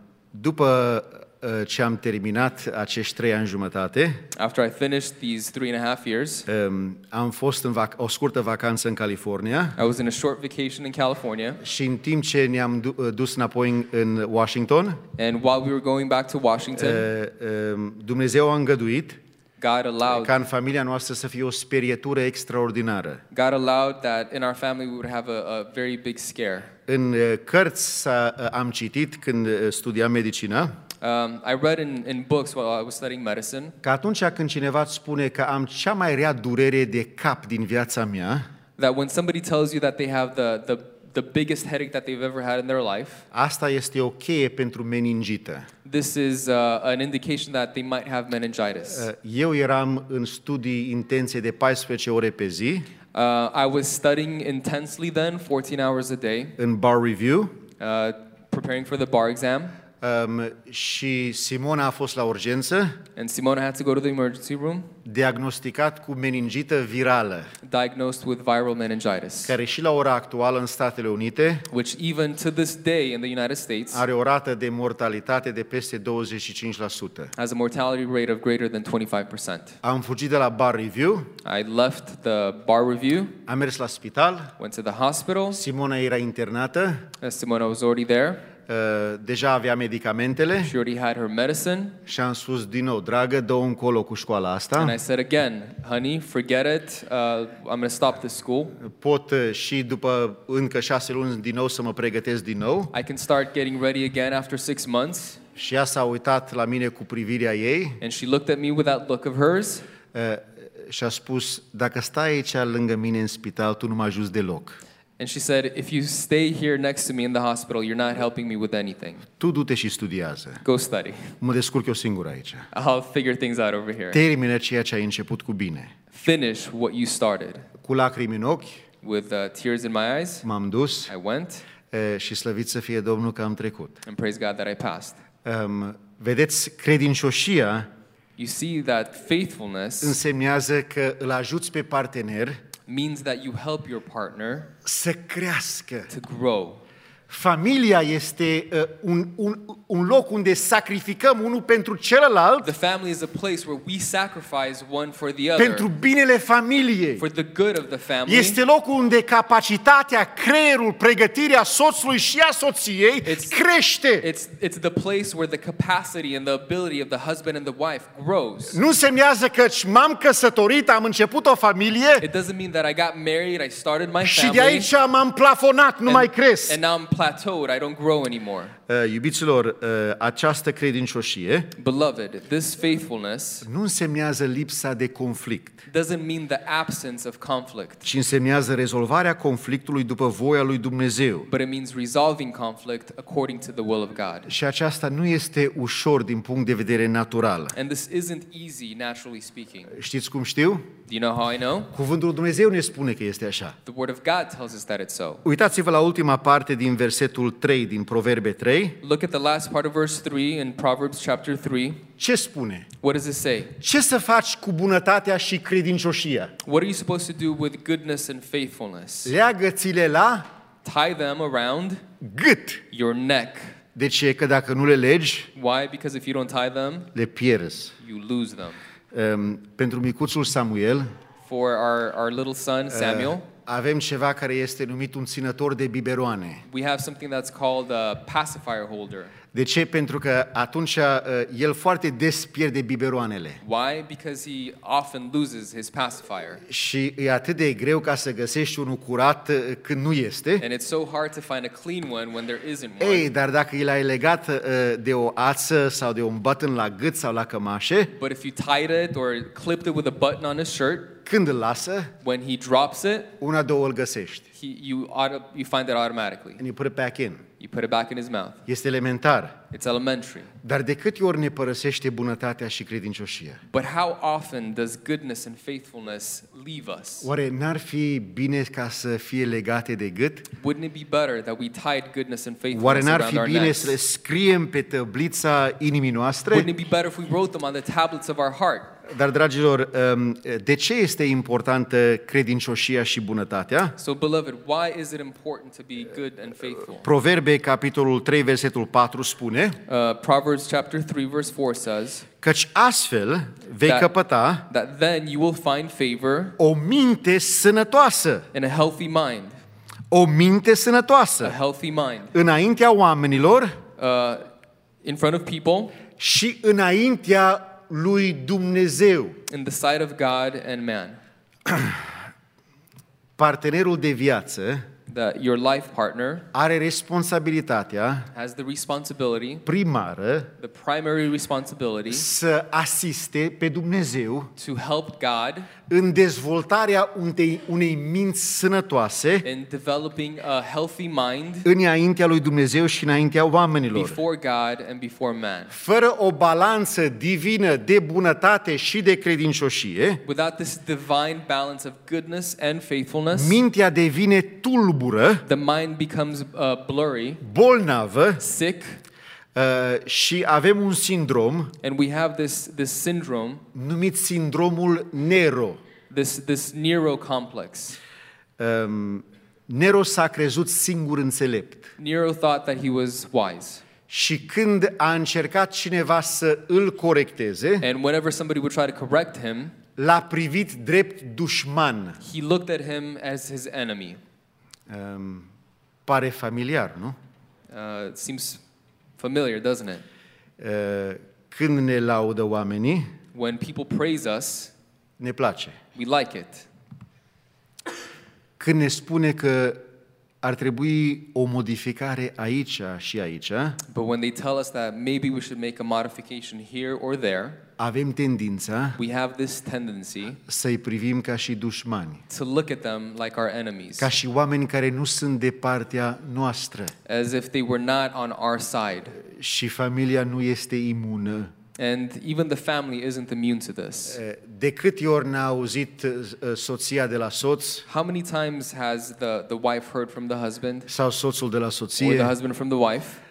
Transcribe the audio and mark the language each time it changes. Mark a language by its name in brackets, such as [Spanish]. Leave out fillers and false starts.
[Romanian] După ce am terminat acești 3 ani jumătate, [English] after I finished these 3.5 years, [Romanian] am fost în o scurtă vacanță în California. [English] I was in a short vacation in California. [Romanian] Și în timp ce ne-am dus înapoi în Washington, [English] and while we were going back to Washington, [Romanian] Dumnezeu a îngăduit [English] God allowed, [Romanian] ca în familia noastră să fie o sperietură extraordinară. [English] God allowed that in our family we would have a very big scare. [Romanian] În cărți am citit când studiam medicina. [English] I read in books while I was studying medicine. [Romanian] Că atunci când cineva îți spune că am cea mai rea durere de cap din viața mea, [English] that when somebody tells you that they have the biggest headache that they've ever had in their life, [Romanian] asta este o cheie pentru meningită. [English] This is an indication that they might have meningitis. [Romanian] Eu eram în studii intense de 14 ore pe zi. [English] I was studying intensely then, 14 hours a day. [Romanian] În bar review. [English] Preparing for the bar exam. [Romanian] Și Simona a fost la urgență. [English] And Simona had to go to the emergency room. [Romanian] Diagnosticat cu meningită virală. [English] Diagnosed with viral meningitis. [Romanian] Care și la ora actuală în Statele Unite, [English] which even to this day in the United States, [Romanian] are o rată de mortalitate de peste 25%. [English] Has a mortality rate of greater than 25%. [Romanian] Am fugit de la bar review. [English] I left the bar review. [Romanian] Am mers la spital. [English] Went to the hospital. [Romanian] Simona era internată. [English] Simona was already there. [Romanian] Deja avea medicamentele. [English] She already had her medicine. [Romanian] Și am spus din nou, dragă, dă-o încolo cu școala asta. [English] And I said again, honey, forget it. I'm going to stop the school. [Romanian] Pot și după încă 6 luni din nou să mă pregătesc din nou. [English] I can start getting ready again after 6 months. [Romanian] Și ea s-a uitat la mine cu privirea ei. [English] And she looked at me with that look of hers. [Romanian] Și a spus, dacă stai aici lângă mine în spital, tu nu mă ajuți deloc. [English] And she said, if you stay here next to me in the hospital, you're not helping me with anything. [Romanian] Tu du-te și studiază. [English] Go study. [Romanian] Mă descurc eu singur aici. [English] I'll figure things out over here. [Romanian] Termină ceea ce ai început cu bine. [English] Finish what you started. [Romanian] Cu lacrimi în ochi. [English] With tears in my eyes. [Romanian] M-am dus. [English] I went. [Romanian] Și slăvit să fie Domnul că am trecut. [English] And praise God that I passed. [Romanian] Vedeți, credincioșia. [English] You see that faithfulness. [Romanian] Însemnează că îl ajuți pe partener. [English] Means that you help your partner [Romanian] să crească. [English] To grow. [Romanian] Familia este un loc unde sacrificăm unul pentru celălalt. [English] The family is a place where we sacrifice one for the other. [Romanian] Pentru binele familiei. [English] For the good of the family. [Romanian] Este locul unde capacitatea, creierul, pregătirea soțului și a soției crește. [English] It's the place where the capacity and the ability of the husband and the wife grows. [Romanian] Nu semnează că m-am căsătorit, am început o familie. [English] It doesn't mean that I got married, I started my family. [Romanian] Și de aici m-am plafonat, nu mai cresc. [English] And now I'm plateaued, I don't grow anymore. [Romanian] Iubiților, această credincioșie, [English] beloved, this faithfulness, [Romanian] nu însemnează lipsa de conflict. [English] Doesn't mean the absence of conflict. [Romanian] Ci însemnează rezolvarea conflictului după voia lui Dumnezeu. [English] But it means resolving conflict according to the will of God. [Romanian] Și aceasta nu este ușor din punct de vedere natural. [English] And this isn't easy, naturally speaking. [Romanian] Știți cum știu? [English] Do you know how I know? [Romanian] Cuvântul Dumnezeu ne spune că este așa. [English] The word of God tells us that it's so. [Romanian] Uitați-vă la ultima parte din versetul 3 din Proverbe 3. [English] Look at the last part of verse 3 in Proverbs chapter 3. [Romanian] Ce spune? [English] What does it say? [Romanian] Ce să faci cu bunătatea și credincioșia? [English] What are you supposed to do with goodness and faithfulness? [Romanian] Leagă-ți-le la? [English] Tie them around? [Romanian] Gât. [English] Your neck. [Romanian] De ce? Că dacă nu le legi? [English] Why? Because if you don't tie them? [Romanian] Le pierzi. [English] You lose them. [Romanian] Pentru micuțul Samuel. [English] For our little son Samuel. [Romanian] Avem ceva care este numit un ținător de biberoane. [English] We have something that's called a pacifier holder. [Romanian] De ce? Pentru că atunci el foarte des pierde biberoanele. [English] Why? Because he often loses his pacifier. [Romanian] Și e atât de greu ca să găsești unul curat când nu este. [English] And it's so hard to find a clean one when there isn't one. [Romanian] Ei, dar dacă îl ai legat de o ață sau de un button la gât sau la cămașe, [English] but if you tied it or clipped it with a button on his shirt, [Romanian] când îl lasă, [English] when he drops it, [Romanian] una, două îl găsești. [English] You find it automatically. And you put it back in. You put it back in his mouth. [Romanian] Este elementar. [English] It's elementary. [Romanian] Dar de câte ori ne părăsește bunătatea și credincioșia? [English] But how often does goodness and faithfulness leave us? [Romanian] Oare n-ar fi bine ca să fie legate de gât? [English] Wouldn't it be better that we tied goodness and faithfulness around our necks? [Romanian] Oare n-ar fi bine să le scriem pe tăblița inimii noastre? [English] Wouldn't it be better if we wrote them on the tablets of our heart? [Romanian] Dar, dragilor, de ce este importantă credincioșia și bunătatea? [English] So, beloved, why is it important to be good and faithful? [Romanian] Proverbe, capitolul 3, versetul 4, spune [English] Proverbs chapter 3, verse 4 says, [Romanian] căci astfel vei [English] that, [Romanian] căpăta [English] that then you will find favor, [Romanian] o minte sănătoasă. [English] And a healthy mind. [Romanian] O minte sănătoasă. [English] A healthy mind. [Romanian] Înaintea oamenilor [English] in front of people, [Romanian] și înaintea lui Dumnezeu. [English] In the sight of God and man. [Romanian] Partenerul de viață, [English] that your life partner, [Romanian] are responsabilitatea, [English] has the responsibility, [Romanian] primară, [English] the primary responsibility, [Romanian] să asiste pe Dumnezeu, [English] to help God, [Romanian] în dezvoltarea unei minți sănătoase, [English] in developing a healthy mind, [Romanian] înaintea lui Dumnezeu și înaintea oamenilor, [English] before God and before man, [Romanian] fără o balanță divină de bunătate și de credincioșie, [English] without this divine balance of goodness and faithfulness, [Romanian] mintea devine tulbură, [English] the mind becomes blurry, [Romanian] bolnavă, [English] sick, [Romanian] Și avem un sindrom. [English] And we have this syndrome. [Romanian] Numit sindromul Nero. [English] This Nero complex. [Romanian] Nero s-a crezut singur înțelept. [English] Nero thought that he was wise. [Romanian] Și când a încercat cineva să îl corecteze, [English] and whenever somebody would try to correct him, [Romanian] l-a privit drept dușman. [English] He looked at him as his enemy. [Romanian] Pare familiar, nu? [English] It seems familiar, doesn't it? [Romanian] Când ne laudă oamenii, [English] when people praise us, [Romanian] ne place. [English] We like it. [Romanian] Când ne spune că ar trebui o modificare aici și aici, [English] but when they tell us that maybe we should make a modification here or there, [Romanian] avem tendința, [English] we have this tendency, [Romanian] să-i privim ca și dușmani, [English] to look at them like our enemies, [Romanian] ca și oameni care nu sunt de partea noastră, [English] as if they were not on our side. [Romanian] Și familia nu este imună. [English] And even the family isn't immune to this. [Romanian] De câte ori n-a auzit soția de la soț? [English] How many times has the wife heard from the husband? [Romanian] Sau soțul de la soție? [English] Or the husband from the wife?